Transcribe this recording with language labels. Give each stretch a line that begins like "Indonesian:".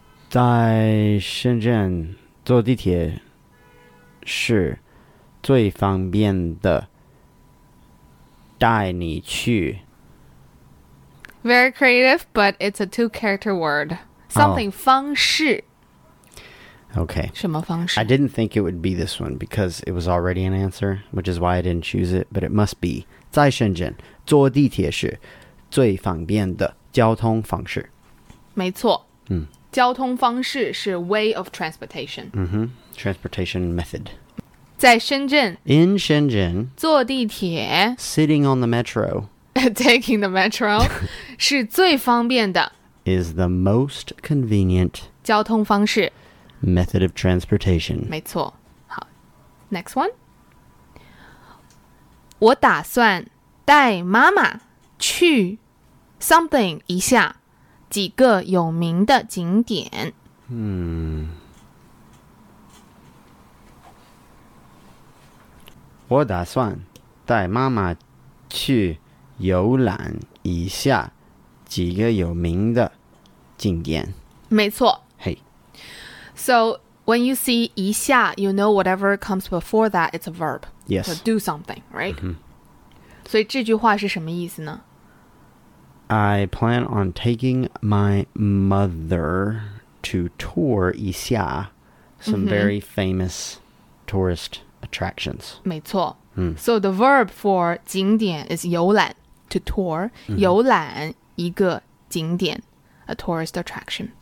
Chinese: 在深圳坐地铁是最方便的带你去。
English: Very creative, but it's a two-character word. Something 方式。 Okay.
Chinese: 什么方式?
English: I didn't think it would be this one because it was already an answer, which is why I didn't choose it, but it must be.
Chinese: 在深圳坐地铁是最方便的交通方式。没错。嗯。交通方式是
English: way of transportation. Mm-hmm. Transportation method.
Chinese: 在深圳。
English: In 深圳。
Chinese: 坐地铁。
English: Sitting on the metro. Taking the metro.
Chinese: 是最方便的。
English: Is the most convenient.
Chinese: 交通方式。
English: Method of transportation.
Chinese: 没错。好。
English: Next one.
Chinese: 我打算带妈妈去
English: something
Chinese: 一下几个有名的景点。嗯。我打算带妈妈去游览一下几个有名的景点。没错。嘿。
English: So, when you see 一下, you know whatever comes before that, it's a verb. Yes. So, do something, right? Mm-hmm.
Chinese: 所以这句话是什么意思呢?
English: I plan on taking my mother to tour 一下 some mm-hmm. very famous tourist attractions.
Chinese: 没错。
English: Mm. So, the verb for 景点 is 游览, to tour,
Chinese: 游览一个景点,
English: a tourist attraction.